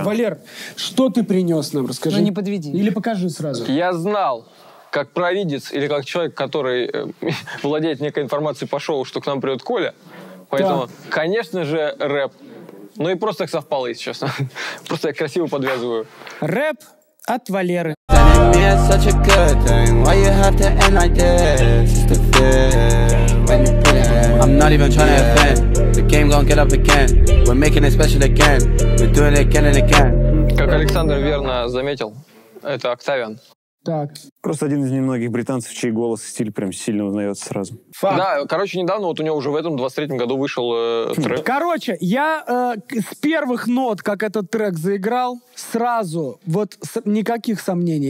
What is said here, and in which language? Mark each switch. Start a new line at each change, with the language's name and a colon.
Russian: Валер, что ты принес нам, расскажи. Ну, не подведи. Или покажи сразу. Я знал, как провидец или как человек, который владеет некой информацией по шоу, что к нам придет Коля. Поэтому, конечно же, рэп. Ну и просто так совпало, если честно. Просто я красиво подвязываю. Рэп от Валеры.
English: I'm not even trying to offend. The game gon' get up again. We're making it special again. We're doing it again and again.
Russian: Как Александр верно заметил, это Октавиан. Так. Просто один из немногих британцев, чей голос и стиль прям сильно узнается сразу. Фак. Да, короче, недавно вот у него уже в этом 23-м году вышел трек. Короче, я с первых нот, как этот трек заиграл, сразу, вот никаких сомнений.